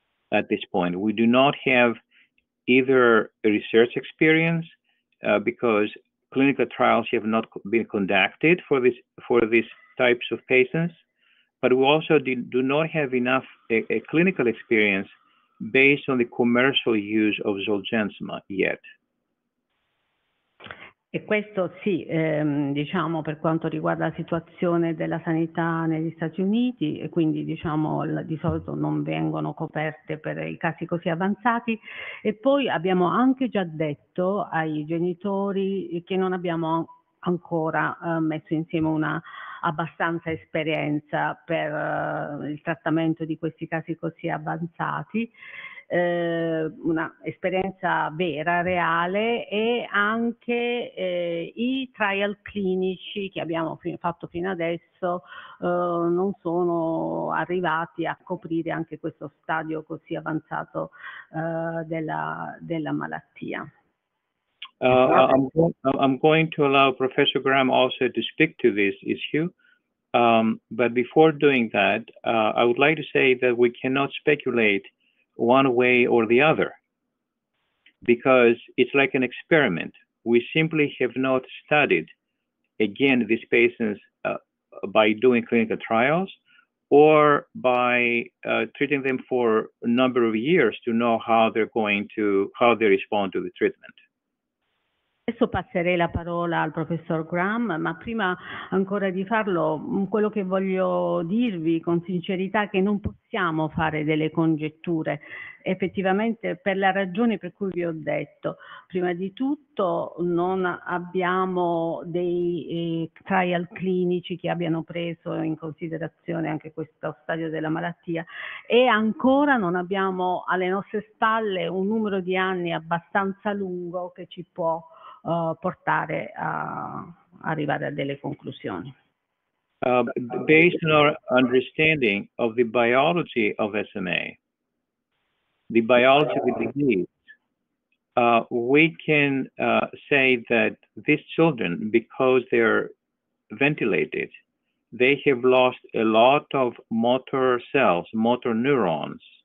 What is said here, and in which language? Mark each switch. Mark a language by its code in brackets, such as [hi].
[en] At this point, we do not have either research experience because clinical trials have not been conducted for these types of patients, but we also do not have enough a clinical experience based on the commercial use of Zolgensma yet. [it] E questo sì, diciamo per quanto riguarda la situazione della sanità negli Stati Uniti, e quindi diciamo di solito non vengono coperte per i casi così avanzati. E poi abbiamo anche già detto ai genitori che non abbiamo ancora messo insieme una abbastanza esperienza per il trattamento di questi casi così avanzati. Una esperienza vera, reale, e anche i trial clinici che abbiamo fatto fino adesso non sono arrivati a coprire anche questo stadio così avanzato della malattia. [en] I'm going to allow Professor Graham also to speak to this issue, but before doing that, I would like to say that we cannot speculate one way or the other, because it's like an experiment. We simply have not studied, again, these patients by doing clinical trials or by treating them for a number of years to know how they respond to the treatment. [it] Adesso passerei la parola al professor Graham, ma prima ancora di farlo, quello che voglio dirvi con sincerità è che non possiamo fare delle congetture, effettivamente per la ragione per cui vi ho detto. Prima di tutto non abbiamo dei trial clinici che abbiano preso in considerazione anche questo stadio della malattia, e ancora non abbiamo alle nostre spalle un numero di anni abbastanza lungo che ci può portare a arrivare a delle conclusioni. [en] Based on our understanding of the biology of SMA, the biology of the disease, we can say that these children, because they're ventilated, they have lost a lot of motor cells, motor neurons